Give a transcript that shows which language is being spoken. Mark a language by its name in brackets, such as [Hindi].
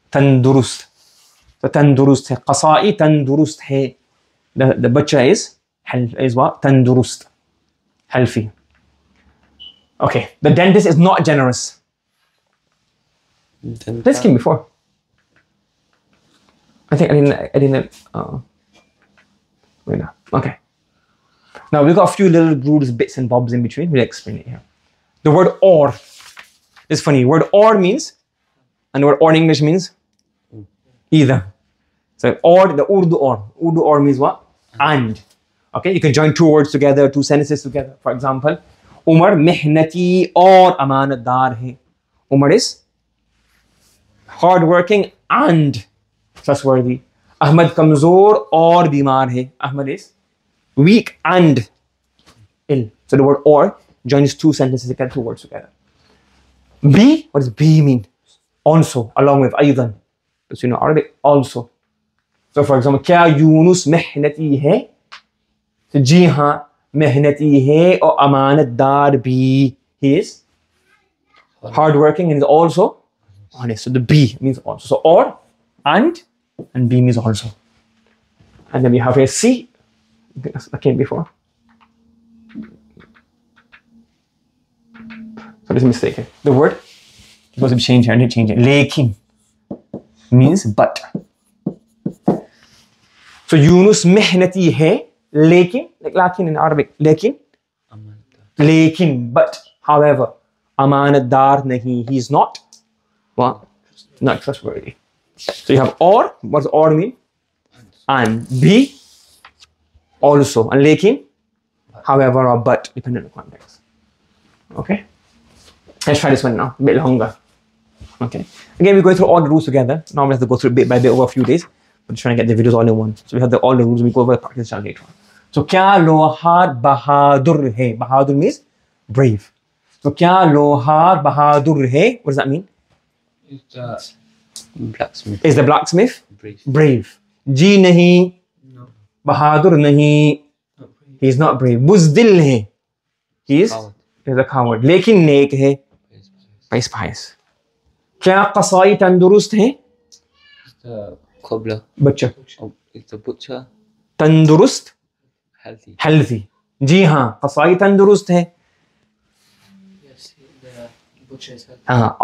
[Urdu] تندرست۔ So تندرست ہے۔ قصائی تندرست ہے۔ [English] The butcher is what? [Urdu] تندرست۔ [English] Healthy. Okay. The dentist is not generous. This came before. I didn't. Okay. Now we've got a few little rules, bits and bobs in between. We'll explain it here. The word or is funny. Word or means And what or in English means? Either. So or, the Urdu or. Urdu or means what? And. Okay, you can join two words together, two sentences together. [Urdu] For example, عمر محنتی اور امانتدار ہے۔ [English] Umar is hardworking and trustworthy. [Urdu] Ahmad کمزور اور بیمار ہے۔ [English] Ahmed is weak and ill. So the word or joins two sentences together, two words together. B, what does B mean? Also, along with aydan. So you know Arabic, also. So for example, [Urdu] کیا یونس محنتی ہے؟ So, جی ہاں، محنتی ہے اور امانتدار بھی۔ [English] He is hardworking and is also honest. So, the B means also. So, or, and B means also. And then we have a C. I came before. So, this is a mistake. The word was changed here. I didn't change it. لیکن means but. [Urdu] So, یونس محنتی ہے۔ [English] لیکن, like لکن in Arabic, لیکن, لیکن, but, however, [Urdu] امانتدار نہیں, [English] he is not, what? Not trustworthy. So you have or, what does or mean? And b, also, and lekin, however, or but, depending on the context. Okay? Let's try this one now, a bit longer. Okay? Again, we're going through all the rules together. Normally, I have to go through bit by bit over a few days, but I'm trying to get the videos all in one. So we have all the rules, we go over the practice chart later on. [Urdu] So, کیا لوہار بہادر ہے؟ [English] بہادر means brave. [Urdu] So, کیا لوہار بہادر ہے؟ [English] What does that mean? It's blacksmith. Is the blacksmith brave? [Urdu] Ji nahi. [English] No. [Urdu] Bahadur nahi. [English] No. He's not brave. [Urdu] بزدل ہے۔ [English] He's a coward. [Urdu] لیکن نیک ہے۔ Pais pais. کیا قصائی تندرست ہے؟ [English] It's the cobbler. Butcher. Oh, it's a butcher. [Urdu] تندرست؟ [English] Healthy. [Urdu] جی ہاں، قصائی تندرست ہے۔ [English] Yes, the butcher is healthy.